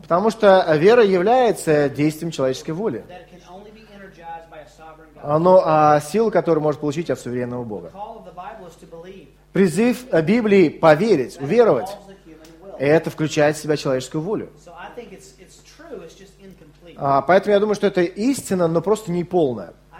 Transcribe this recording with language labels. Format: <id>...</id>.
<ru>Потому что вера является действием человеческой воли.</ru> <en>That can only be energized by a sovereign God.</en> <ru>Оно, а силу, которую может получить от суверенного Бога.</ru> <en>The call of the Bible is to believe.</en> <ru>Призыв Библии поверить, уверовать, это включает в себя человеческую волю.</ru> <en>So I think it's true, it's just incomplete.</en> <ru>Поэтому я думаю, что это истина, но просто неполная.</ru>